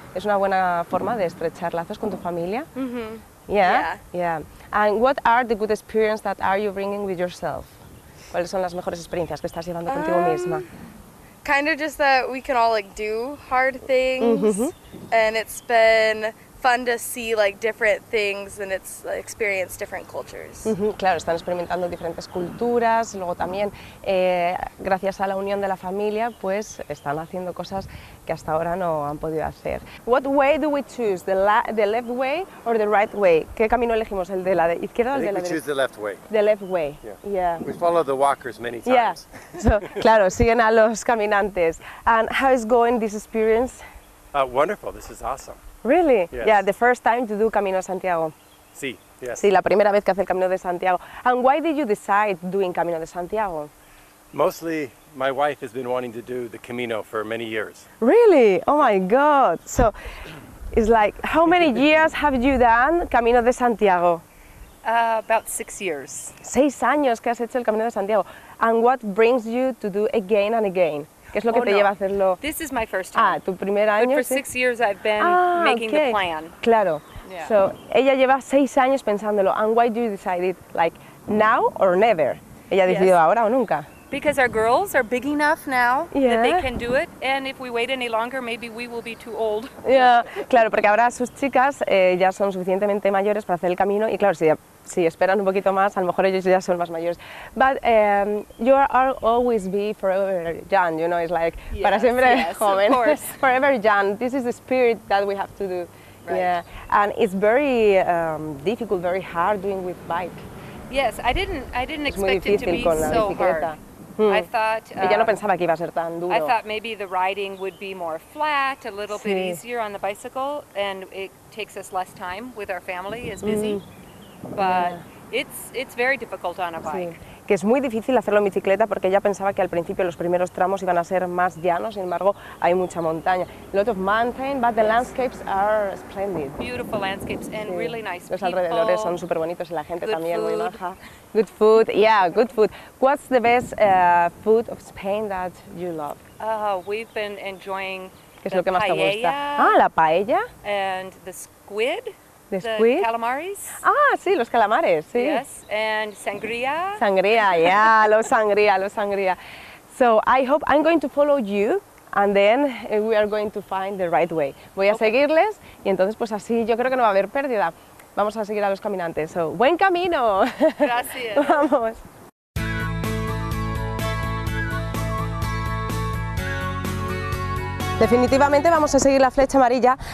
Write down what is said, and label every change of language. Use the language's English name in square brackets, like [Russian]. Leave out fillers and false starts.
[Spanish] Es una buena forma de estrechar lazos con tu familia. Mm-hmm. [English] Yeah? Yeah. Yeah. And what are the good experiences that are you bringing with yourself? [Spanish] ¿Cuáles son las mejores experiencias que estás llevando contigo misma? [English] Kind of just that we can all like do hard things, mm-hmm. and it's been fun to see like different things and it's like, experience different cultures. [Spanish] Mm-hmm. Claro, están experimentando diferentes culturas. Luego también, gracias a la unión de la familia, pues están haciendo cosas que hasta ahora no han podido hacer. [English] What way do we choose? The left way or the right way? [Spanish] ¿Qué camino elegimos? ¿El de la izquierda o el de la derecha? [English] We choose the left way. The left way. Yeah. We follow the walkers many times. Yeah. So, [Spanish] claro, siguen a los caminantes. [English] And how is going this experience? Wonderful. This is awesome. Really? Yes. Yeah, the first time to do Camino de Santiago. [Spanish] Sí, yes. Sí, la primera vez que hace el Camino de Santiago. [English] And why did you decide doing Camino de Santiago? Mostly, my wife has been wanting to do the Camino for many years. Really? Oh my God. So, it's like, how many years have you done Camino de Santiago? About 6 years. [Spanish] 6 años que has hecho el Camino de Santiago. [English] And what brings you to do again and again? [Spanish] ¿Qué es lo que te lleva a hacerlo? [English] This is my first time. [Spanish] Ah, tu primer año. [English] But for 6 years I've been making the plan. Claro. Yeah. So, [Spanish] ella lleva 6 años pensándolo. [English] And why do you decide it? Like, now or never? [Spanish] Ella decidió ahora o nunca. [English] Because our girls are big enough now that they can do it. And if we wait any longer, maybe we will be too old. Yeah. [Spanish] Claro, porque ahora sus chicas ya son suficientemente mayores para hacer el camino. Y claro, si esperan un poquito más, a lo mejor ellos ya son más mayores. [English] But you are always be forever young, you know, it's like, yes, [Spanish] para siempre joven. [English] Of course. Forever young, this is the spirit that we have to do. Right. Yeah. And it's very difficult, very hard doing with bike. Yes, I didn't expect it to be so hard. I thought, [Spanish] ella no pensaba que iba a ser tan duro. [English] I thought maybe the riding would be more flat, a little bit easier on the bicycle, and it takes us less time with our family, is busy. But it's very difficult on a bike. [Spanish] Que es muy difícil hacerlo en bicicleta porque ella pensaba que al principio los primeros tramos iban a ser más llanos, sin embargo, hay mucha montaña. [English] A lot of mountain, but the landscapes are splendid. Beautiful landscapes and really nice people. [Spanish] Los alrededores son súper bonitos y la gente también [English] food. [Spanish] Muy maja. [English] Good food, yeah, good food. What's the best food of Spain that you love? We've been enjoying [Spanish] ¿qué es lo que paella, más te gusta? Ah, la paella. [English] And the squid. The squid? The calamaris. [Spanish] Ah, sí, los calamares, sí. [English] Yes, and sangria. Sangria, yeah, lo sangria. So I hope I'm going to follow you and then we are going to find the right way. [Spanish] Voy a seguirles y entonces pues así yo creo que no va a haber pérdida. Vamos a seguir a los caminantes. So, ¡buen camino! Gracias. Vamos. Definitivamente vamos a seguir la flecha amarilla.